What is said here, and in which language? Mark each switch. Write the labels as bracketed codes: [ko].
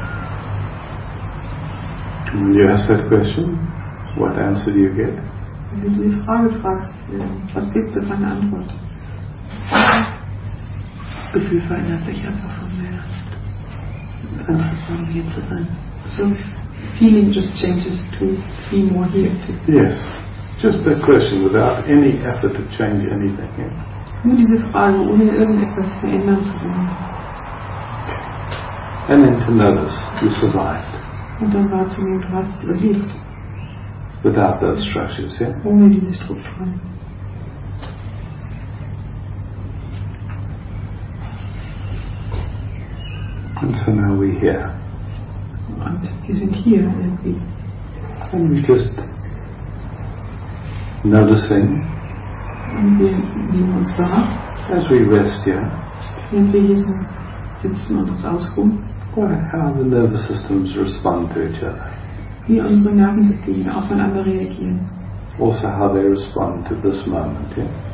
[en] When you ask that question, what answer do you get? [de] Wenn du die Frage fragst, was gibt es für eine Antwort? Das Gefühl verändert sich einfach von mir. Ganz von hier zu sein. [en] So feeling just changes to be more here. Yes. Just that question without any effort to change anything. Yeah. [de] Nur diese Frage, ohne irgendetwas verändern zu wollen. [en] And then to notice you survived. [de] Und dann wahrzunehmen, du hast überlebt. [en] Without those structures, yeah? [de] Ohne diese Strukturen. [en] And so now we're here. [de] Und wir sind hier irgendwie. [en] And we're just noticing. [de] Und wir nehmen uns wahr. [en] As we rest, yeah? [de] Wenn wir hier so sitzen und uns ausruhen. [en] How the nervous systems respond to each other. [de] Wie unsere Nervensysteme aufeinander reagieren. [en] Also how they respond to this moment, yeah?